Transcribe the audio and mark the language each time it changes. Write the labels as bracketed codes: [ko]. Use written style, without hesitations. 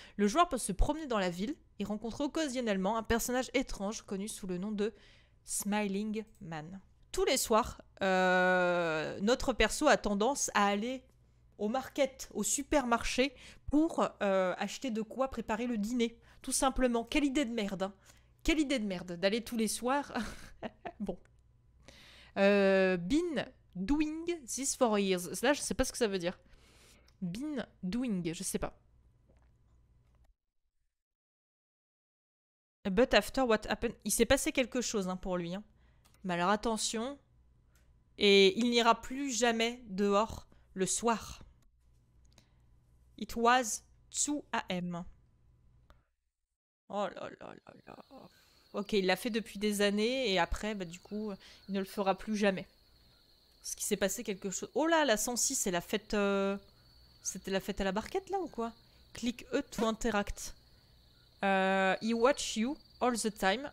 [fr] Le joueur peut se promener dans la ville et rencontre occasionnellement un personnage étrange connu sous le nom de Smiling Man. Tous les soirs, notre perso a tendance à aller au market, au supermarché, pour acheter de quoi préparer le dîner. Tout simplement, quelle idée de merde, hein. Quelle idée de merde d'aller tous les soirs. Bon. [en] Been doing this for years. [fr] Là, je sais pas ce que ça veut dire. [en] Been doing, [fr] je sais pas. [en] But after what happened... [fr] Il s'est passé quelque chose hein, pour lui, hein. Mais alors attention, et il n'ira plus jamais dehors le soir. [en] It was 2 a.m. [fr] Oh là là là là. Ok, il l'a fait depuis des années et après, bah, du coup, il ne le fera plus jamais. Parce qu'il s'est passé quelque chose. Oh là, la 106, c'est la fête. C'était la fête à la barquette là ou quoi? [en] Click E to interact. He watch you all the time.